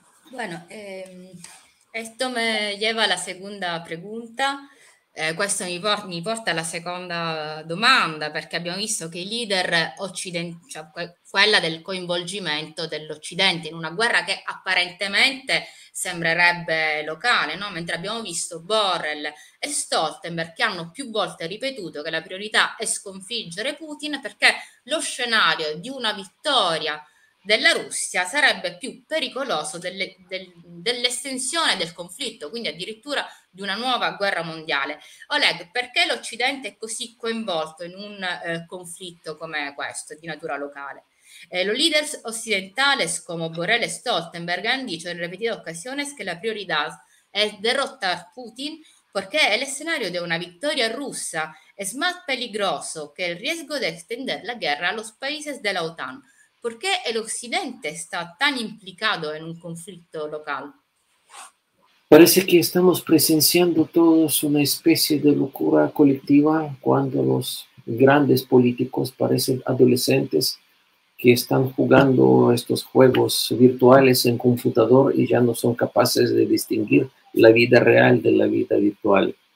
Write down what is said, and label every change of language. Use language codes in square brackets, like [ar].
[es] Bueno, esto me lleva a la segunda pregunta. [it] Questo mi porta alla seconda domanda, perché abbiamo visto che i leader occidentali, cioè quella del coinvolgimento dell'Occidente in una guerra che apparentemente sembrerebbe locale, no? Mentre abbiamo visto Borrell e Stoltenberg che hanno più volte ripetuto che la priorità è sconfiggere Putin, perché lo scenario di una vittoria della Russia sarebbe più pericoloso dell'estensione del conflitto, quindi addirittura di una nuova guerra mondiale. Oleg, perché l'Occidente è così coinvolto in un conflitto come questo, di natura locale? Lo leader occidentale, come Borrell e Stoltenberg, hanno detto in ripetute occasioni che la priorità è derrotar Putin, perché è il scenario di una vittoria russa è [es] más peligroso [it] che il rischio di estendere la guerra a [es] los países de la OTAN. [it] Perché l'Occidente sta tan implicato in un conflitto locale? [es] Parece que estamos presenciando todos una especie de locura colectiva cuando los grandes políticos parecen adolescentes que están jugando estos juegos virtuales en computador y ya no son capaces de distinguir la vida real de la vida virtual.